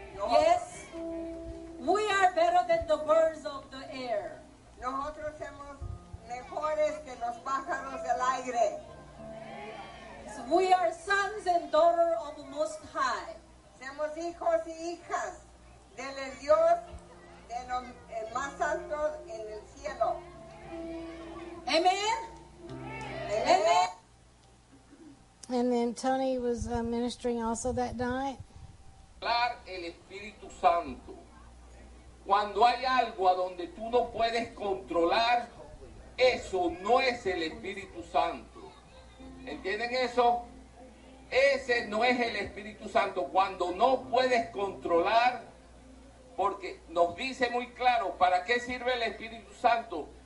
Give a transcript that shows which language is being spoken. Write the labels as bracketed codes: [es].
[en] Yes, we are better than the birds of the air. [es] Nosotros somos mejores que los pájaros del aire. [en] So we are sons and daughters of the Most High. [es] Somos hijos y hijas del Dios el más alto en el cielo. [en] Amen. Amen. And then Tony was ministering also that night. [es] Hablar el Espíritu Santo. Cuando hay algo a donde tú no puedes controlar, eso no es el Espíritu Santo. ¿Entienden eso? Ese no es el Espíritu Santo. Cuando no puedes controlar, porque nos dice muy claro, ¿para qué sirve el Espíritu Santo?